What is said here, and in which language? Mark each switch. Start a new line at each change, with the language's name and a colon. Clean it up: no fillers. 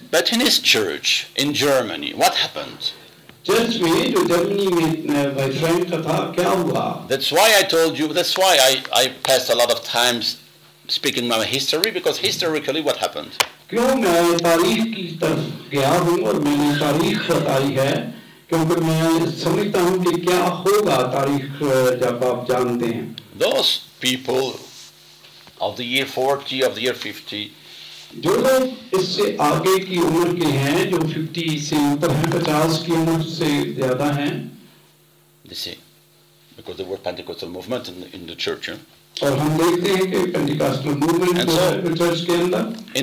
English: But in his church in Germany, what happened?
Hindi: Church में जो Germany में भाई फ्रैंक का था क्या हुआ?
English: That's why I told you. That's why I passed a lot of times speaking my history because historically what happened?
Hindi: क्यों मैं तारीख की तरफ गया हूँ और मैंने तारीख बताई है क्योंकि मैं समझता हूँ कि क्या होगा तारीख जब आप जानते हैं.
English: Those people of the year 40 of the year 50.
Hindi: जो लोग इससे आगे की उम्र के हैं जो 50 से ऊपर हैं 50 की उम्र से ज्यादा हैं
English: जैसे because there were Pentecostal movement in the church
Hindi: और हम देखते हैं कि पेंटेकोस्टल मूवमेंट तो चर्च के अंदर